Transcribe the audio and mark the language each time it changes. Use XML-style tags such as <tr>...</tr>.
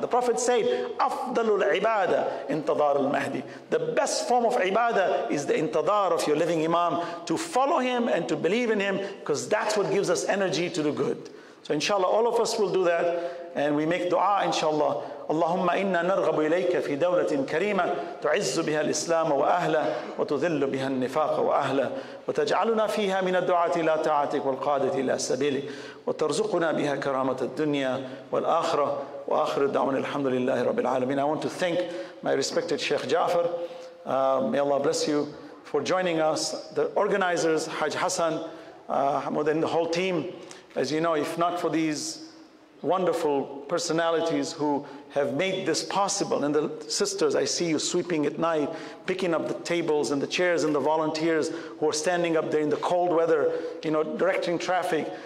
<en>The Prophet said, afdalul ibadah intadar al-mahdi. The best form of ibadah is the intadar of your living imam, to follow him and to believe in him, because that's what gives us energy to do good. So inshallah, all of us will do that, and we make dua inshallah.</en> <ar>اللهم إنا نرغب إليك في دولة كريمة تعز بها الإسلام وأهله وتذل بها النفاق وأهله وتجعلنا فيها من الدعاة إلى طاعتك والقادة إلى سبيلك وترزقنا بها كرامة الدنيا والآخرة وآخر الدعوة الحمد لله رب العالمين.</ar> <en>I want to thank my respected Sheikh Jafar. May Allah bless you for joining us. The organizers, Hajj Hasan, more than the whole team. As you know, if not for these wonderful personalities who have made this possible, and the sisters, I see you sweeping at night, picking up the tables and the chairs, and the volunteers who are standing up there in the cold weather, you know, directing traffic.</en>